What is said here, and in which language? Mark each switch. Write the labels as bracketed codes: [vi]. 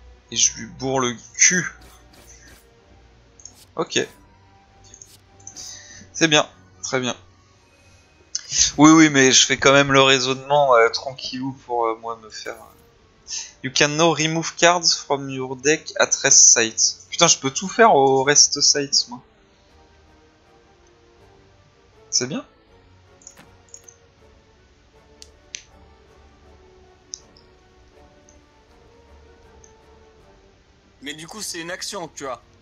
[fr] Et je lui bourre le cul. Ok. C'est bien. Très bien. Oui, mais je fais quand même le raisonnement tranquillou pour moi me faire. [en] You can now remove cards from your deck at rest sites. [fr] Putain, je peux tout faire au rest sites, moi. C'est bien. Mais du coup, c'est une action, tu vois.